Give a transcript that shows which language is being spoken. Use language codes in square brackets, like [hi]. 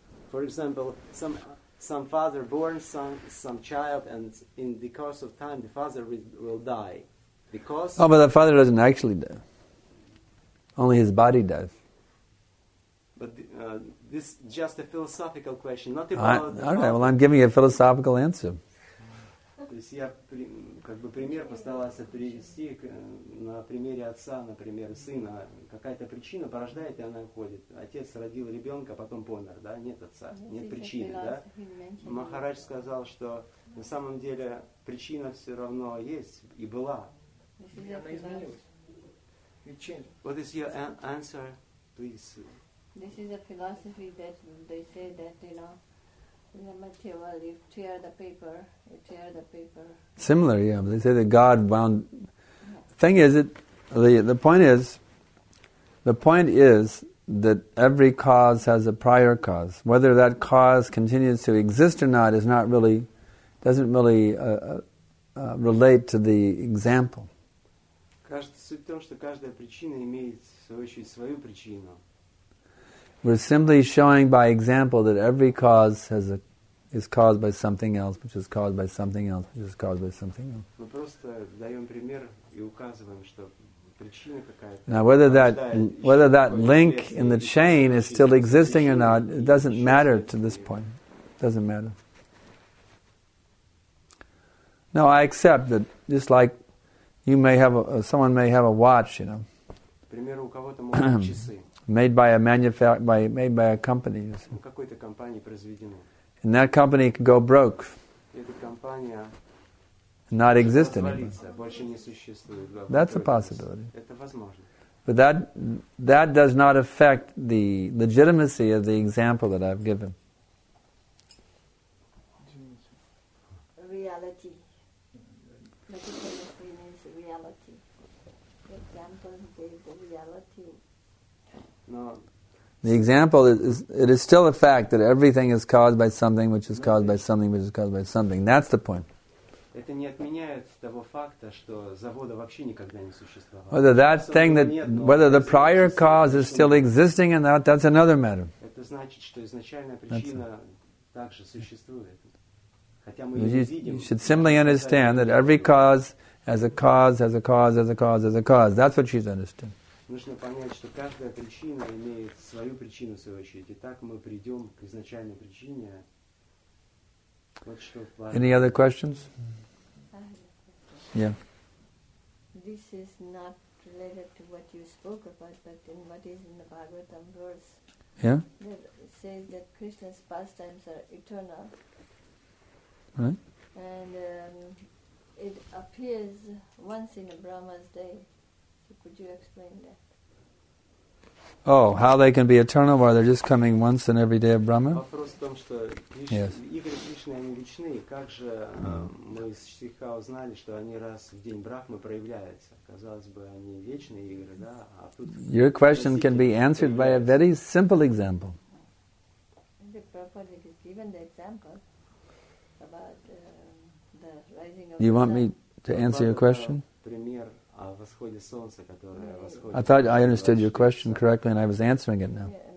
[en] For example, some father born some child, and in the course of time, the father will die. Because oh, but the father doesn't actually die. Only his body dies. But this is just a philosophical question, not about... All right, well, I'm giving you a philosophical answer. [ru] То есть я как бы пример постарался привести на примере отца, на примере сына. Какая-то причина порождает, и она уходит. Отец родил ребенка, потом помер, да? Нет отца, нет причины, да? Махарадж сказал, что на самом деле причина все равно есть и была. Она изменилась. [en] What is your answer, please? This is a philosophy that they say that, you know, the material, if tear the paper, you tear the paper. Similar, yeah. They say that God bound... Yeah. Thing is, the point is that every cause has a prior cause. Whether that cause continues to exist or not is not really, doesn't really relate to the example. [ru] Суть в том, что каждая причина имеет, в свою очередь, свою причину. [en] We're simply showing by example that every cause is caused by something else, which is caused by something else, which is caused by something else. [ru] Мы просто даем пример и указываем, что причина какая-то. [en] Now whether that link in the chain is still existing or not, it doesn't matter to this point. It doesn't matter. No, I accept that just like you may have someone may have a watch, you know. [ru] Например, у кого-то могут быть часы. [en] Made by a company. [ru] Какой-то компании произведено. [en] And that company could go broke. [ru] Эта компания [en] not exist anymore. [ru] Больше не существует. [en] That's a possibility. [ru] Это возможно. [en] But that does not affect the legitimacy of the example that I've given. Reality. Metaphysics means reality. Example gave the reality. The example is still a fact that everything is caused by something which is caused by something which is caused by something. That's the point. [ru] Это не отменяет того факта, что завода вообще никогда не существовало. [en] Whether that thing that whether the prior cause is still existing or not, that's another matter. [ru] Это значит, что изначальная причина также существует. Хотя мы её видим. [en] You should simply understand that every cause has a cause, has a cause, has a cause, has a cause. That's what she's understood. [ru] Нужно понять, что каждая причина имеет свою причину, в свою очередь. И так мы придем к изначальной причине. Вот что в плане. [en] Any other questions? Yeah. This is not related to what you spoke about, but in what is in the Bhagavatam verse. Yeah? It says that Krishna's pastimes are eternal. Right. And it appears once in a Brahma's day. Could you explain that? Oh, how they can be eternal while they're just coming once in every day of Brahma? [ru] Вопрос в том, что Игорь Кришна конечно, они личны, как же мы из стиха узнали, что они раз в день Брахмы проявляются? Казалось бы, они вечные игры, да? А тут [en] your question can be answered by a very simple example. The Prabhupada has given the example about the rising of the sun. You want me to answer your question? [ru] Пример о восходе солнца, которое восходит. [en] I thought I understood your question correctly and I was answering it now.